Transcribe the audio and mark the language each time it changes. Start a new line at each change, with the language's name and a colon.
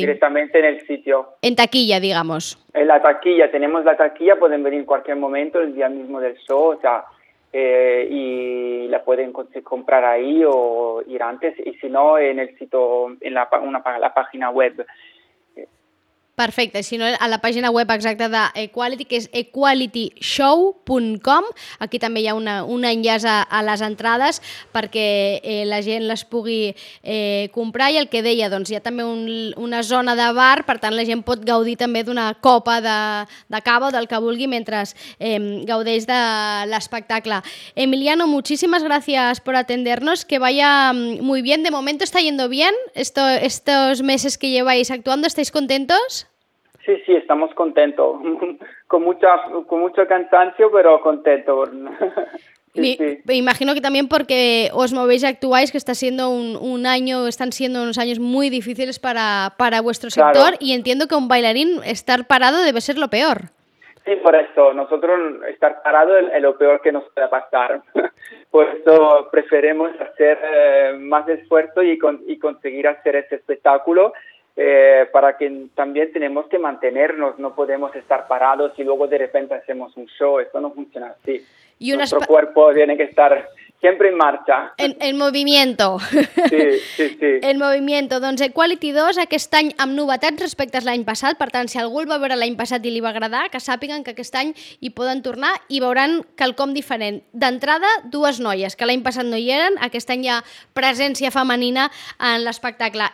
Spanish: Directamente en el sitio. En taquilla, digamos. En la taquilla, tenemos la taquilla, pueden venir en cualquier momento, el día mismo del show, o sea, y la pueden comprar ahí o ir antes, y si no, en el sitio, en la página web.
Catalan: Perfecte, si no, a la pàgina web exacta d'Equality, que és equalityshow.com, aquí també hi ha un enllaç a les entrades perquè la gent les pugui comprar, i el que deia, doncs hi ha també una zona de bar, per tant la gent pot gaudir també d'una copa de cava o del que vulgui mentre gaudeix de l'espectacle.
Spanish: Emiliano, muchísimas gracias por atendernos, que vaya muy bien, de momento está yendo bien, estos meses que lleváis actuando, ¿estáis contentos? Sí, sí, estamos contentos, con mucho cansancio, pero contento. Me imagino que también porque os movéis y actuáis, que está siendo un año, están siendo unos años muy difíciles para vuestro sector, claro. Y entiendo que un bailarín estar parado debe ser lo peor. Sí, por eso, nosotros estar parado es lo peor que nos puede pasar, por eso preferimos hacer más esfuerzo y conseguir hacer este espectáculo. Para que también tenemos que mantenernos, no podemos estar parados y luego de repente hacemos un show, esto no funciona así. Y nuestro cuerpo tiene que estar Siempre en marcha. En movimiento. Sí, sí, sí. En movimiento.
Catalan: Doncs Equality 2, aquest any amb novetats respecte a l'any passat. Per tant, si algú el va veure l'any passat i li va agradar, que sàpiguen que aquest any hi poden tornar i veuran quelcom diferent. D'entrada, dues noies, que l'any passat no hi eren. Aquest any hi ha presència femenina en l'espectacle.